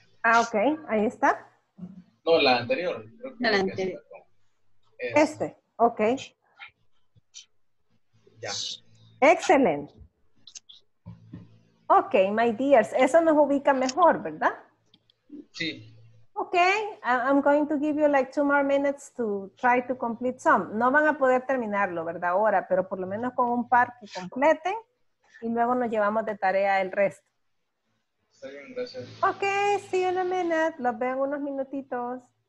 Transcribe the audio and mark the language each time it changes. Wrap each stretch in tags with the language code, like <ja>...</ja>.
<es>Ah, ok, ahí está. No, la anterior. Creo que la anterior. Este, ok. Ya. Excelente. Ok,</es> <en>my dears,</en> <es>eso nos ubica mejor, ¿verdad? Sí.</es> <en>Okay, I'm going to give you like 2 more minutes to try to complete some.</en> <es>No van a poder terminarlo, ¿verdad? Ahora, pero por lo menos con un par que completen y luego nos llevamos de tarea el resto. Está bien, gracias.</es> <en>Okay, see you in a minute.</en> <es>Los veo en unos minutitos.</es>